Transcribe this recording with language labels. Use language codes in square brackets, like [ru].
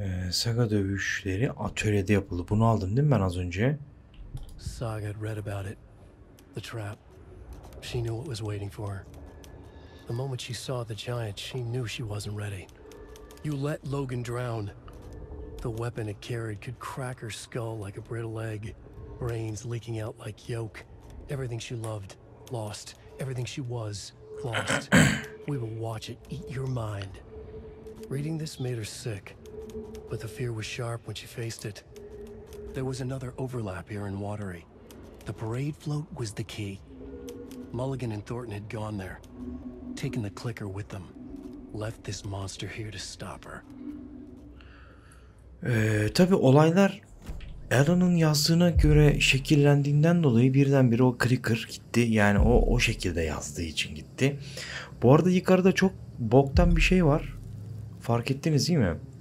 [tr] Saga dövüşleri atölyede yapıldı. Bunu aldım değil mi ben az önce? [en] Saga read about it. The trap. She knew what was waiting for her. The moment she saw the giant, she knew she wasn't ready. You let Logan drown. The weapon it carried could crack her skull like a brittle egg. Brains leaking out like yolk. Everything she loved, lost. Everything she was, lost. We will watch it eat your mind. Reading this made her sick, but the fear was sharp when she faced it. There was another overlap here in Watery. The parade float was the key. Mulligan and Thornton had gone there, taken the clicker with them, left this monster here to stop her. [tr] Tabii olaylar Alan'ın yazdığına göre şekillendiğinden dolayı birdenbire o clicker gitti. Yani o şekilde yazdığı için gitti. Bu arada yukarıda çok boktan bir şey var. Fark ettiniz değil mi?